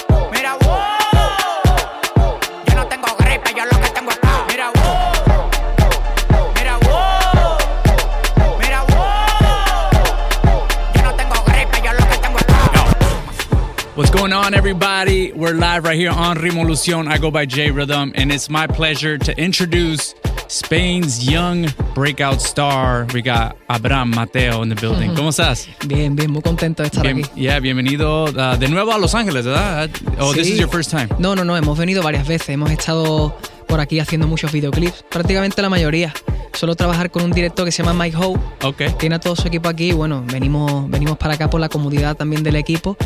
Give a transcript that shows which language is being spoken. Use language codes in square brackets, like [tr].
[es] Mira, wow. Yo no tengo gripe, yo lo que tengo es pa'. Mira, wow. Mira, wow. Mira, wow. Yo no tengo gripe, yo lo que tengo es pa'. [en] What's going on, everybody? We're live right here on Rimolución. I go by J Rhythm, and it's my pleasure to introduce Spain's young breakout star. We got Abraham Mateo in the building. [es] ¿Cómo estás? Bien, bien, muy contento de estar aquí. Yeah, bienvenido de nuevo a Los Ángeles, ¿verdad? [en] Oh, sí. This is your first time. [es] No, no, no, hemos venido varias veces. Hemos estado por aquí haciendo muchos videoclips, prácticamente la mayoría. Solo trabajar con un director que se llama Mike Ho. [en] Okay. [es] Tiene a todo su equipo aquí. Bueno, venimos para acá por la comodidad también del equipo.